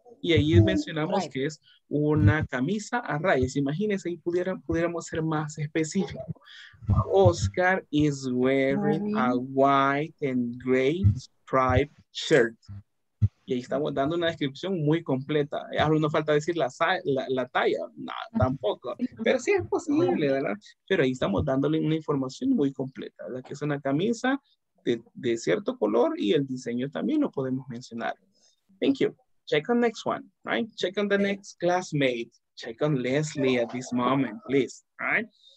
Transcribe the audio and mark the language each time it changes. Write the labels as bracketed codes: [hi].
[es] Y ahí mencionamos que es una camisa a rayas. Imagínense ahí pudiéramos ser más específicos. [en] Oscar is wearing a white and gray stripe shirt. [es] Y ahí estamos dando una descripción muy completa. Ya no falta decir la talla. No, tampoco. Pero sí es posible, ¿verdad? Pero ahí estamos dándole una información muy completa, ¿verdad? Que es una camisa de cierto color y el diseño también lo podemos mencionar. [en] Thank you. Check on next one, right? Check on the next classmate. Check on Leslie at this moment, please, right?